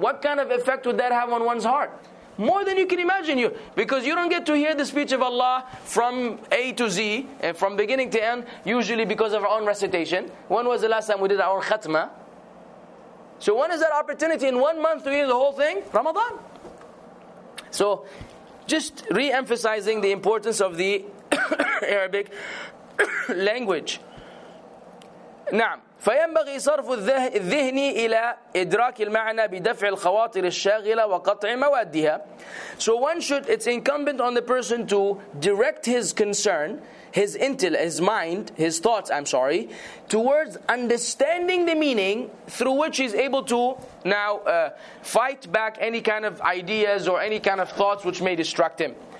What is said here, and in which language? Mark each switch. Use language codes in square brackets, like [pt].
[en] What kind of effect would that have on one's heart? More than you can imagine, you, because you don't get to hear the speech of Allah from A to Z, and from beginning to end, usually because of our own recitation. When was the last time we did our own khatmah? So when is that opportunity in 1 month to hear the whole thing? Ramadan. So just re-emphasizing the importance of the Arabic language. [ar] نعم. فينبغي صرف الذهن إلى إدراك المعنى بدفع الخواطر الشاغلة وقطع موادها. [en] So one should, it's incumbent on the person to direct his concern, his intellect, his mind, his thoughts, I'm sorry, towards understanding the meaning through which he's able to now fight back any kind of ideas or any kind of thoughts which may distract him.